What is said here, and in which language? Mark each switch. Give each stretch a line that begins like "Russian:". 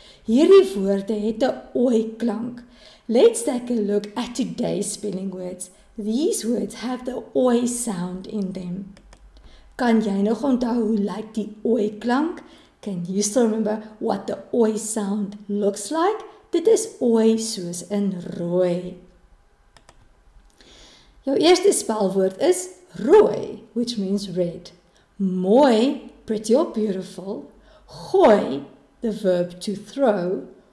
Afrikaans: Hierdie woorde het 'n oi klank.
English: Let's take a look at today's spelling words. These words have the oi sound in them.
Afrikaans: Kan jy nog onthou hoe lyk die oi klank?
English: Can you still remember what the oi sound looks like?
Afrikaans: Dit is oi soos in rooi. Jou eerste spelwoord is rooi,
English: which means red. Mooi, pretty or beautiful. Gooi, the verb to throw.